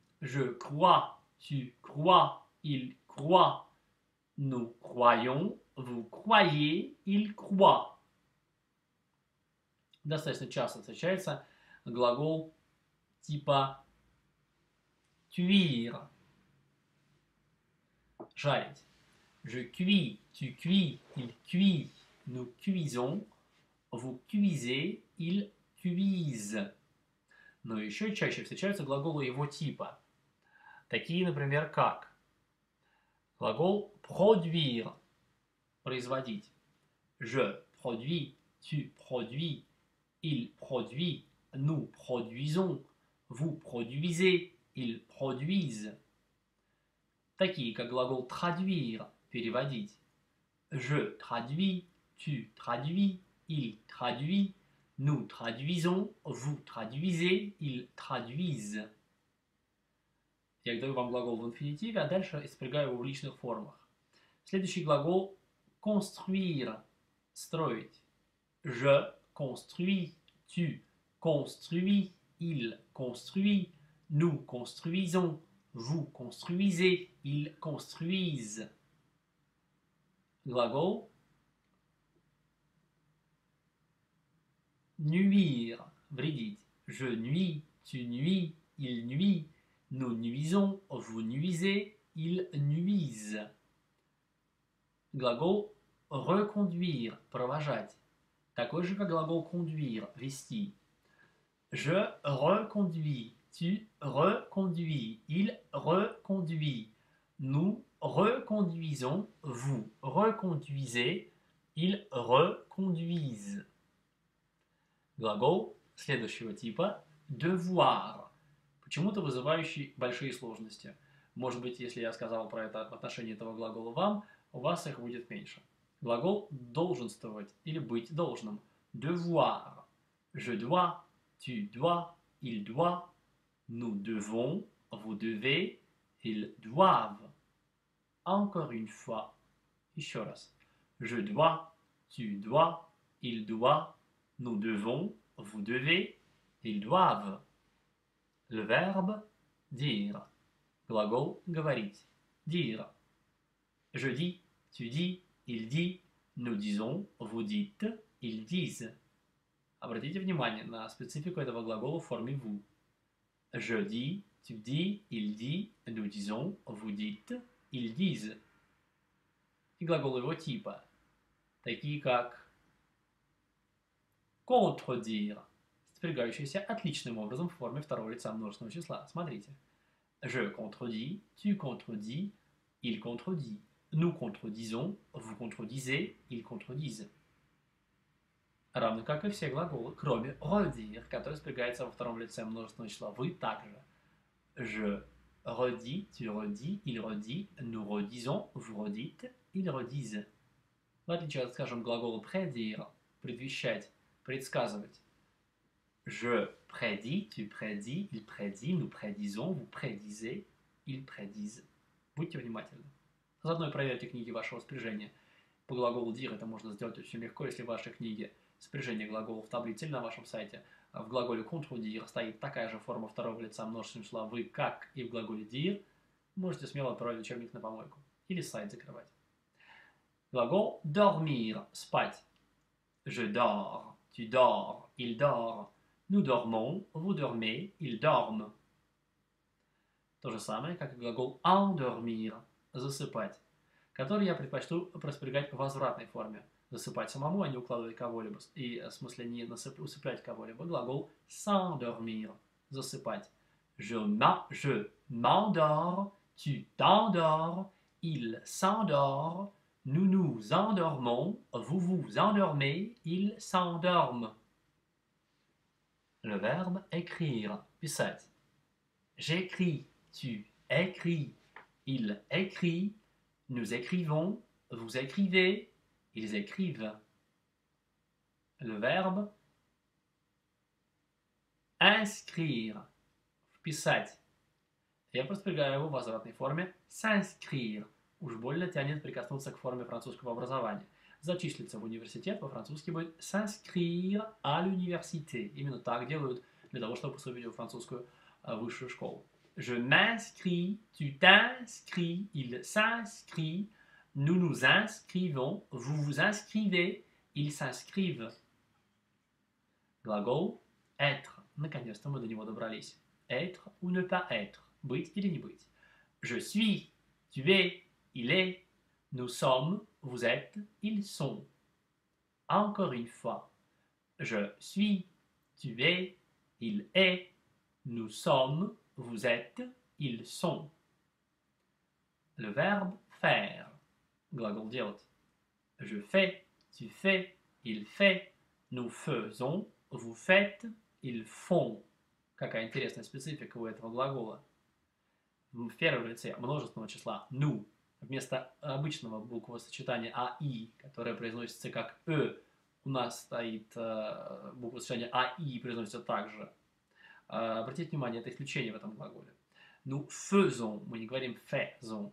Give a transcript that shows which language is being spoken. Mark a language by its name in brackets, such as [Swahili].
[French] Je crois. Tu crois. Il croit. Nous croyons. Vous croyez. Il croit. [Russian] Достаточно часто встречается глагол типа cuire. Жарить. [French] Je cuis, tu cuis, il cuit, nous cuisons, vous cuisez, il cuise. [Russian] Но еще чаще встречаются глаголы его типа. Такие, например, как. Глагол produire. Производить. [French] Je produis, tu produis, il produit, nous produisons, vous produisez, ils produisent. [Russian] Такие, как глагол traduire, переводить. [French] Je traduis, tu traduis, il traduit, nous traduisons, vous traduisez, ils traduisent. [Russian] Я даю вам глагол в инфинитиве, а дальше испрягаю его в личных формах. Следующий глагол construire, строить. [French] Je construis, tu construis, il construit, nous construisons. Vous construisez, ils construisent. [Russian] Глагол nuire, вредить. [French] Je nuis, tu nuis, il nuit, nous nuisons, vous nuisez, ils nuisent. [Russian] Глагол reconduire, провожать. Такой же, как глагол conduire, вести. [French] Je reconduis. Tu reconduis, il reconduit, nous reconduisons, vous reconduisez, ils reconduisent. [Russian] Глагол следующего типа devoir, почему-то вызывающий большие сложности. Может быть, если я сказал про это в отношении этого глагола вам, у вас их будет меньше. Глагол долженствовать или быть должным. [French] Devoir. Je dois, tu dois, il doit. Nous devons, vous devez, ils doivent. Encore une fois, [Russian] еще раз. [French] Je dois, tu dois, il doit, nous devons, vous devez, ils doivent. Le verbe dire. [Russian] Глагол говорить. [French] Dire. Je dis, tu dis, il dit, nous disons, vous dites, ils disent. [Russian] Обратите внимание на специфику этого глагола в форме vous. Je dis, tu dis, il dit, nous disons, vous dites, ils disent. И глаголы его типа, такие как contredire, спрягающиеся отличным образом в форме второго лица множественного числа. Смотрите. [French] Je contredis, tu contredis, il contredit, nous contredisons, vous contredisez, ils contredisent. [Russian] Равно как и все глаголы, кроме redire, который спрягается во втором лице множественного числа. Вы также. [French] Je redis, tu redis, il redit, nous redisons, vous redites, [Russian] или родизе. В отличие от, скажем, глагола predire, предвещать, предсказывать. [French] Je prédis, tu prédis, il prédit, nous prédisons, vous prédisez, ils prédisent. [Russian] Будьте внимательны. Заодно и проверьте книги вашего спряжения. По глаголу dire это можно сделать очень легко, если в вашей книге спряжение глаголов в таблице или на вашем сайте. В глаголе contredire стоит такая же форма второго лица множественного числа вы, как и в глаголе dire. Можете смело отправить учебник на помойку или сайт закрывать. Глагол dormir – спать. [French] Je dors, tu dors, il dort. Nous dormons, vous dormez, ils dorment. [Russian] То же самое, как и глагол endormir – засыпать, который я предпочту проспрягать в возвратной форме. Засыпать самому, а не укладывать кого-либо. И, в смысле, не усыплять кого-либо. Глагол s'endormir – засыпать. [French] Je m'endors, tu t'endors, il s'endort, nous nous endormons, vous vous endormez, il s'endorme. Le verbe écrire, [Russian] писать. [French] J'écris, tu écris, il écrit, nous écrivons, vous écrivez, ils écrivent. Le verbe inscrire, [Russian] писать. Я проспрягаю его в возвратной форме s'inscrire. Уж больно тянет прикоснуться к форме французского образования. Зачислиться в университет по-французски будет [French] s'inscrire à l'université. [Russian] Именно так делают для того, чтобы поступить в французскую высшую школу. [French] Je m'inscris, tu t'inscris, il s'inscrit, nous nous inscrivons, vous vous inscrivez, ils s'inscrivent. [Russian] Глагол être. Наконец-то мы до него добрались. [French] Être ou ne pas être. [Russian] Быть или не быть. [French] Je suis, tu es, il est. Nous sommes, vous êtes, ils sont. Encore une fois. Je suis, tu es, il est. Nous sommes, vous êtes, ils sont. Le verbe faire. [Russian] Glagol dirt. [French] Je fais, tu fais, il fait. Nous faisons, vous faites, ils font. [Russian] Какая интересная специфика у этого глагола. В первом лице множественного числа. [French] Nous. [Russian] Вместо обычного буквосочетания АИ, которое произносится как Э, у нас стоит буквосочетание АИ, произносится так же. Обратите внимание, это исключение в этом глаголе. Ну, faisons, мы не говорим faisons.